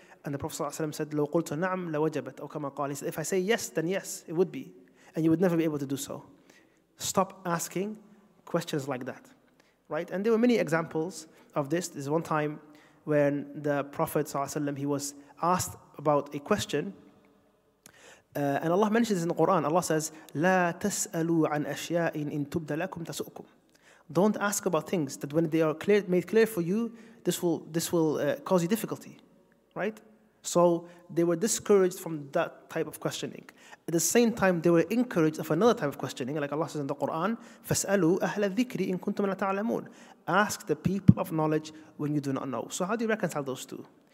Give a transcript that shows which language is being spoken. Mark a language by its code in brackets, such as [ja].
[en] And the Prophet ﷺ said, [ar] Lo qultu na'am la wajabat. Aw kama qal. [en] He said, if I say yes, then yes, it would be. And you would never be able to do so. Stop asking questions like that. Right? And there were many examples of this. This is one time when the Prophet ﷺ, he was asked about a question. And Allah mentions this in the Quran. Allah says, [ar] لا تسألوا عن أشياء إن تبدى لكم تسؤكم. [en] Don't ask about things that when they are made clear for you, this will cause you difficulty. Right? So they were discouraged from that type of questioning. At the same time, they were encouraged of another type of questioning. Like Allah says in the Quran, [ar] فَاسْأَلُوا أَهْلَ الذِّكْرِ إِن كُنْتُمْ لَا تَعْلَمُونَ [en] Ask the people of knowledge when you do not know. So how do you reconcile those two?